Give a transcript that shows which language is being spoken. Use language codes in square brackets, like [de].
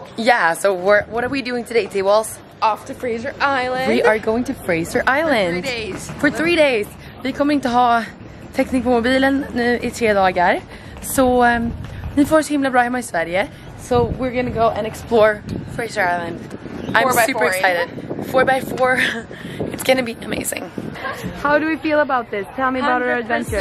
[en] Yeah, so what are we doing today, T-Walls? Off to Fraser Island. We are going to Fraser Island. For 3 days. For 3 days. [sv] Vi kommer inte ha teknik på mobilen nu i 3 dagar. Så ni får så himla bra hemma i Sverige. [en] So we're gonna go and explore Fraser Island. I'm super excited. 4x4. It's gonna be amazing. How do we feel about this? Tell me about our adventure.